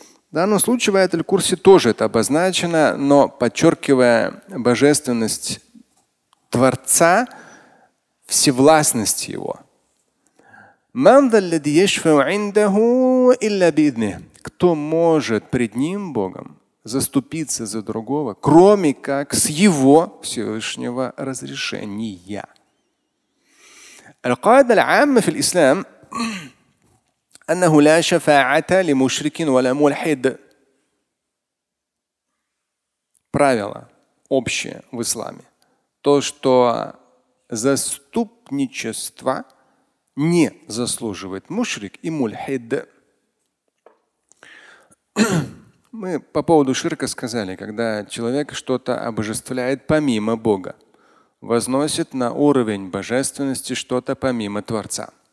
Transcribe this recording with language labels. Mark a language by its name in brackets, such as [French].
[Russian] В данном случае в аят аль-Курси тоже это обозначено, но подчеркивая божественность Творца, всевластность Его. [Arabic] «Ман залляди яшфа'у индаху илля биидни». [Russian] Кто может пред Ним, Богом, заступиться за другого, кроме как с Его Всевышнего разрешения? [Arabic] القاعده العامه في الاسلام انه لا شفاعه لمشرك ولا ملحد. [Russian] Правило общее в исламе, то, что заступничество не заслуживает мушрик и мульхид. Мы по поводу ширка сказали, когда человек что-то обожествляет помимо Бога, возносит на уровень божественности что-то помимо Творца.